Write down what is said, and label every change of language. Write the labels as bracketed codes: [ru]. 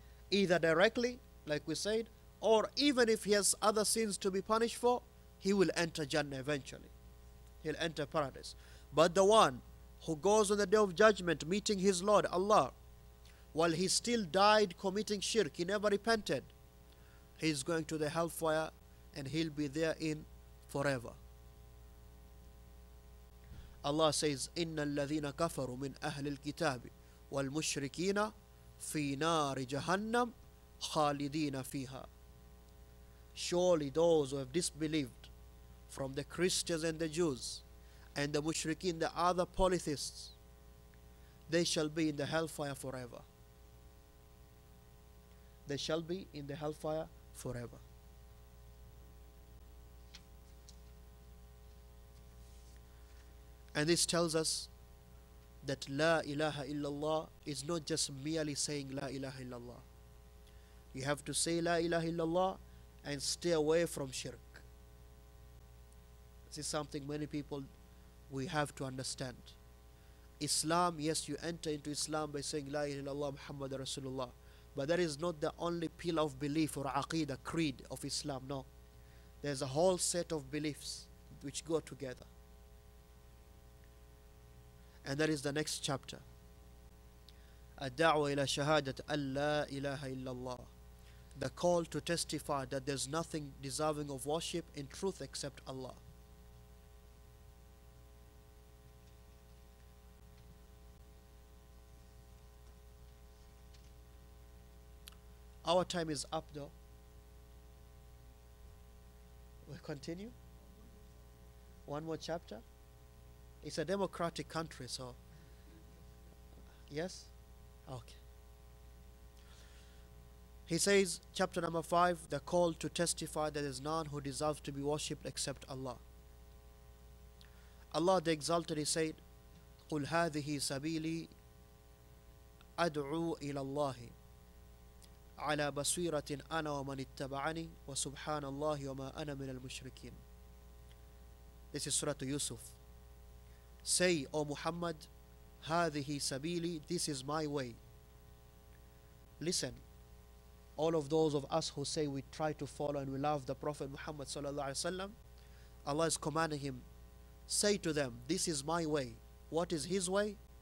[en] Either directly, like we said, or even if he has other sins to be punished for, he will enter Jannah eventually. He'll enter paradise. But the one who goes on the day of judgment meeting his Lord, Allah, while he still died committing shirk, he never repented, he's going to the hellfire and he'll be therein forever. Allah says, [ar] إِنَّ الَّذِينَ كَفَرُوا مِنْ أَهْلِ الْكِتَابِ وَالْمُشْرِكِينَ فِي نَارِ جَهَنَّمْ خَالِدِينَ فِيهَا. [en] Surely those who have disbelieved from the Christians and the Jews and the Mushrikeen, the other polytheists, they shall be in the hellfire forever. They shall be in the hellfire forever. And this tells us that La ilaha illallah is not just merely saying La ilaha illallah. You have to say La ilaha illallah and stay away from shirk. This is something many people, we have to understand. Islam, yes, you enter into Islam by saying La ilaha illallah Muhammad Rasulullah. But that is not the only pillar of belief or aqidah, creed of Islam, no. There's a whole set of beliefs which go together. And that is the next chapter. [ar] الدعوة إلى شهادة أن لا إله إلا الله. [en] The call to testify that there's nothing deserving of worship in truth except Allah. Our time is up though. We continue? One more chapter? It's a democratic country, so. Yes? Okay. He says, chapter number 5, the call to testify that there is none who deserves to be worshipped except Allah. Allah the Exalted, he said, [ar] قُلْ هَذِهِ سَبِيلِي أَدْعُو إِلَى اللَّهِ عَلَى بَصِيرَةٍ أَنَا وَمَنِ اتَّبَعَنِي وَسُبْحَانَ اللَّهِ وَمَا أَنَا مِنَ الْمُشْرِكِينَ. [en] This is Surah Yusuf. Say, O Muhammad, [ar] هَذِهِ سَبِيلِي, [en] this is my way. Listen, all of those of us who say we try to follow and we love the Prophet Muhammad sallallahu alaihi wasallam, Allah is commanding him, say to them, this is my way. What is his way?